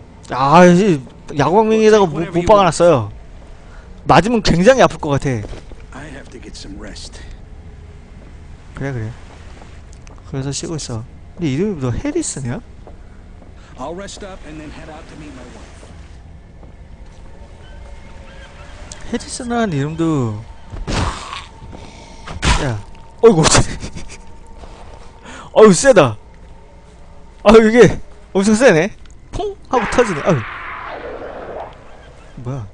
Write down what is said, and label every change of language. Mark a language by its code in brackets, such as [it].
[ko] 아, 이 야광맹이다가 못 박아놨어요. 맞으면 굉장히 아플 것 같아. [en] I have to get some rest. [ko] 그래 그래. 그래서 쉬고 있어. 근데 이름이 너 해리스냐? [en] I'll rest up and then head out to meet my wife. [ko] 해리슨이라는 이름도 야 어이구 어우 세다 아 이게 엄청 세네 퐁 하고 터지네 아 뭐야